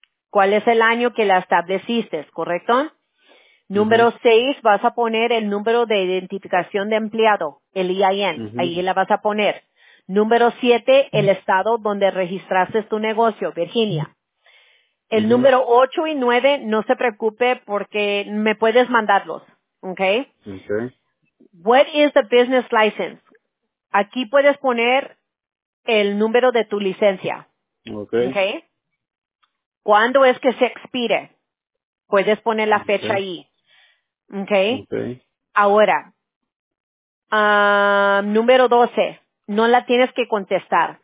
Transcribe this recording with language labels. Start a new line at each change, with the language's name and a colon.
Spanish: ¿Cuál es el año que la estableciste? ¿Correcto? Número 6, vas a poner el número de identificación de empleado, el EIN. Ahí la vas a poner. Número 7, el estado donde registraste tu negocio, Virginia. El número 8 y 9, no se preocupe porque me puedes mandarlos.
English: Okay. Okay. What is the business license?
Spanish: Aquí puedes poner el número de tu licencia.
English: Okay.
Spanish: Okay. ¿Cuándo es que se expire? Puedes poner la fecha ahí.
English: Okay. Okay.
Spanish: Ahora, número 12, no la tienes que contestar.